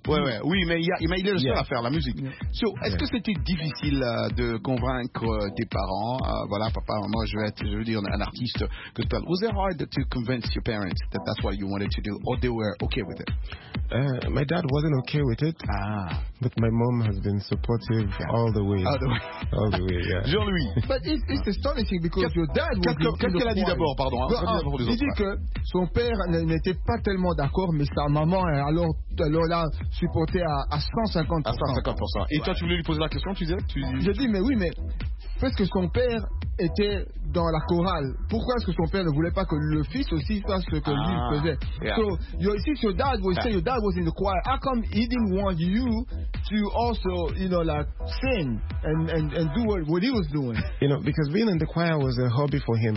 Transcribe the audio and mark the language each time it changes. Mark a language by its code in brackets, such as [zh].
[fr] Oui, mais il est le seul à faire la musique. Yeah. So, est-ce que c'était difficile de convaincre tes parents? Voilà, papa, moi, je veux dire un artiste. [en] Was it hard to convince your parents that that's what you wanted to do, or they were okay with it? My dad wasn't okay with it. Ah. But my mom has been supportive all the way. All the way, yeah. Jean-Louis. But it's astonishing because your dad... [fr] Qu'est-ce qu'elle a dit d'abord, pardon? Il dit que son père n'était pas tellement d'accord, mais sa maman, alors là, supportait à 150%. À 150%. Et toi, tu voulais lui poser la question, tu disais? Je dis, mais oui, mais... Parce que son père était dans la chorale. Pourquoi est-ce que son père ne voulait pas que le fils aussi fasse ce que lui faisait? [en] So, you see, your dad was saying your dad was in the choir. How come he didn't want you to also, you know, like sing and do what he was doing? You know, because being in the choir was a hobby for him.